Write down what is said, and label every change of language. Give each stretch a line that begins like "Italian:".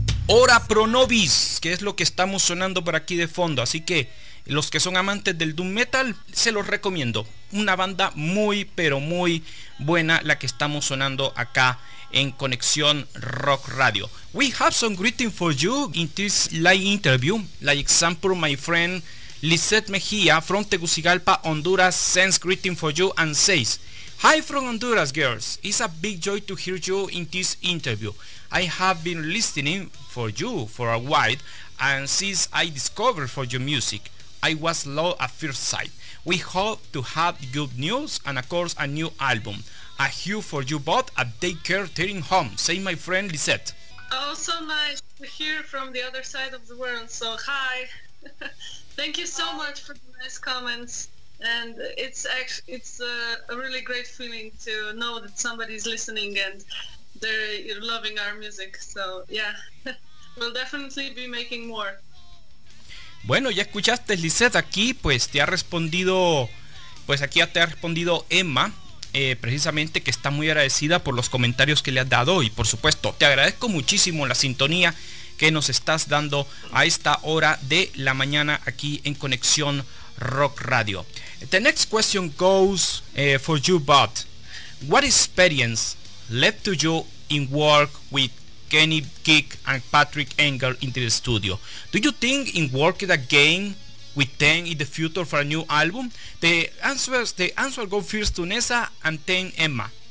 Spanish: Ora Pro Nobis, que es lo que estamos sonando por aquí de fondo, así que los que son amantes del doom metal, se los recomiendo. Una banda muy, pero muy buena la que estamos sonando acá en Conexión Rock Radio.
English: We have some greeting for you in this live interview. Like example, my friend Lisette Mejia from Tegucigalpa, Honduras, sends greeting for you and says, "Hi from Honduras, girls. It's a big joy to hear you in this interview. I have been listening for you for a while, and since I discovered for your music, I was love at first sight. We hope to have good news and of course a new album. A hue for you both at daycare tearing home," say my friend Lisette. Oh, so nice to hear from the other side of the world. So hi. Thank you so much for the nice comments. And it's a really great feeling to know that somebody's listening and you're loving our music. So yeah, we'll definitely be making more.
Spanish: Bueno, ya escuchaste, Lisette, aquí pues te ha respondido, pues aquí ya te ha respondido Emma. Precisamente que está muy agradecida por los comentarios que le has dado, y por supuesto te agradezco muchísimo la sintonía que nos estás dando a esta hora de la mañana aquí en Conexión Rock Radio.
English: The next question goes for you, but what experience led to you in work with Kenny Geek and Patrick Engel in the studio? Do you think in working again with them in the future for a new album? The answer go first to Neža and then Emma.